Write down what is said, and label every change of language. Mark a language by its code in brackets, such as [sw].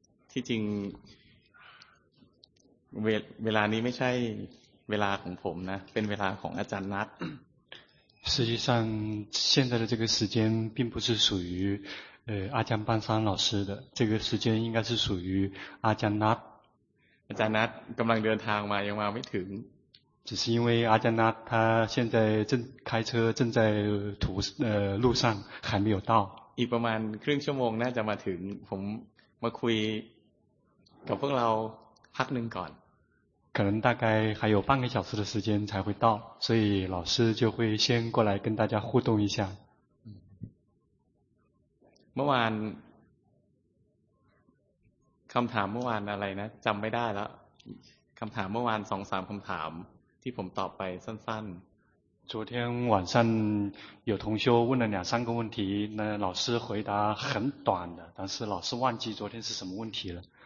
[th] ที่จริงเวลานี้ไม่ใช่เวลาของผมนะเป็นเวลาของอาจารย์นัท [zh] 实际上现在的这个时间并不是属于阿江半山老师的这个时间应该是属于阿江纳 [th] อาจารย์นัทกำลังเดินทางมายังมาไม่ถึง [zh] 只是因为阿江纳他现在正开车正在途路上还没有到 [th] อีกประมาณครึ่งชั่วโมงน่าจะมาถึงผมมาคุยกับพวกเราพักหนึ่งก่อน [zh] 可能大概还有半个小时的时间才会到所以老师就会先过来跟大家互动一下 [th] เมื่อวานคำถามเมื่อวานอะไรนะจำไม่ได้แล้วคำถามเมื่อวานสองสามคำถามที่ผมตอบไปสั้น [zh] ๆ昨天晚上有同修问了两三个问题那老师回答很短的但是老师忘记昨天是什么问题了